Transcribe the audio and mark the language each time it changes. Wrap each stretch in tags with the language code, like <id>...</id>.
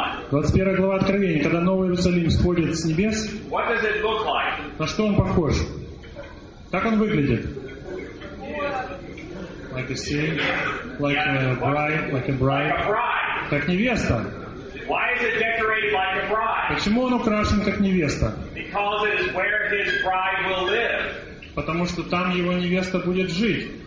<ru>21 глава Откровения, когда Новый Иерусалим сходит с небес, на что он похож? Как он выглядит?</ru> <en>Like a sea, like a bride, like a bride.</en> <ru>Как невеста.</ru> <en>Why is it decorated like a bride?</en> <ru>Почему он украшен как невеста?</ru> <en>Because it is where his bride will live.</en> <ru>Потому что там его невеста будет жить.</ru>